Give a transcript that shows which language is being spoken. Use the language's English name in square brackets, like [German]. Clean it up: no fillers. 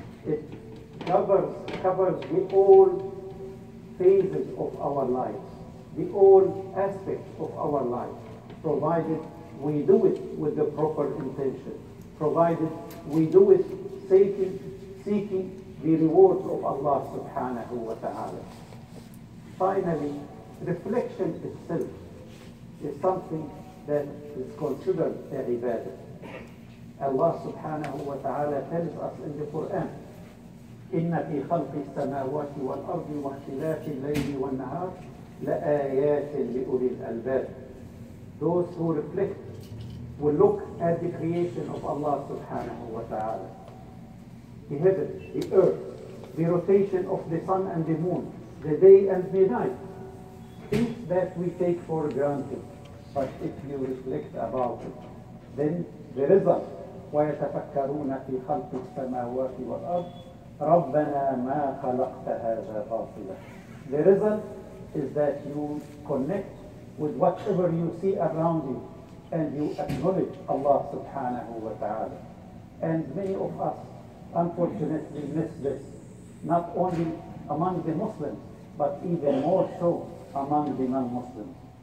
[English] It covers the all phases of our life, the all aspects of our life, provided we do it with the proper intention, provided we do it seeking the rewards of Allah subhanahu wa ta'ala. Finally, reflection itself is something that is considered a ibadah. Allah subhanahu wa ta'ala tells us in the Quran, [Arabic] إِنَّ فِي خَلْقِ السَّمَاوَاتِ وَالْأَرْضِ وَاخْتِلَافِ اللَّيْلِ وَالنَّهَارِ لَآيَاتٍ لِأُولِي الْأَلْبَابِ. [English] Those who reflect will look at the creation of Allah subhanahu wa ta'ala. The heaven, the earth, the rotation of the sun and the moon, the day and the night, things that we take for granted. But if you reflect about it, then the result, [Arabic] وَيَتَفَكَّرُونَ فِي خَلْقِ السَّمَاوَاتِ وَالْأَرْضِ رَبَّنَا مَا خَلَقْتَ هَذَا بَاطِلًا. [English] The result is that you connect with whatever you see around you and you acknowledge Allah subhanahu wa ta'ala. And many of us, unfortunately, miss this, not only among the Muslims, but even more so among the non-Muslims.